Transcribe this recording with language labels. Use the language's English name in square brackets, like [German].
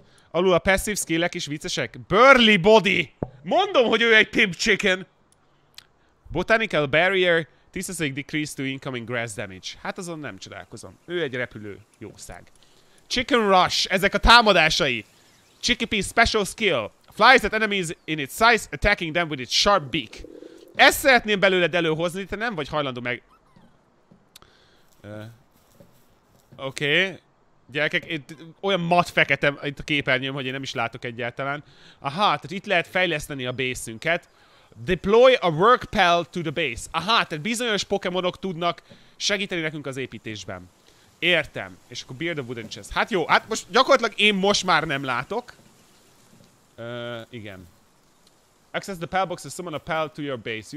[Hungarian] Alul a passive skill-ek is viccesek. Burly body! Mondom, hogy ő egy pimp chicken! [English] Botanical barrier, 10% decrease to incoming grass damage. [Hungarian] Hát azon nem csodálkozom. Ő egy repülő jószág. Chicken rush, ezek a támadásai. [English] Chikipi special skill. Flies at enemies in its size, attacking them with its sharp beak. [Hungarian] Ezt szeretném belőled előhozni, te nem vagy hajlandó meg... Oké. Okay. Gyerekek, itt olyan matt fekete itt a képernyőm, hogy én nem is látok egyáltalán. Aha, tehát itt lehet fejleszteni a base-ünket. [English] Deploy a work pal to the base. [Hungarian] Aha, tehát bizonyos Pokémonok tudnak segíteni nekünk az építésben. Értem. És akkor [English] build a wooden chest. [Hungarian] Hát jó, hát most gyakorlatilag én most már nem látok. Igen. [English] Access the pal box and summon a pal to your base.